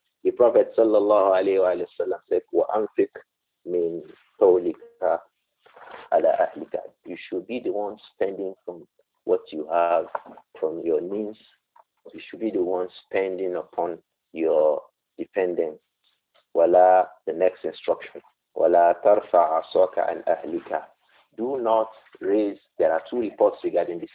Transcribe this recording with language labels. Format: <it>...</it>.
<en>The Prophet sallallahu alayhi wa sallam said,</en> <ar>وَأَنْفِكْ مِنْ طَوْلِكَ عَلَىٰ أَهْلِكَ.</ar> <en>You should be the one spending from what you have, from your means. You should be the one spending upon your dependents.</en> <ar>وَلَا,</ar> <en>the next instruction,</en> <ar>وَلَا تَرْفَعْ عَصَوْكَ عَنْ أَهْلِكَ.</ar> <en>Do not raise, there are two reports regarding this.</en>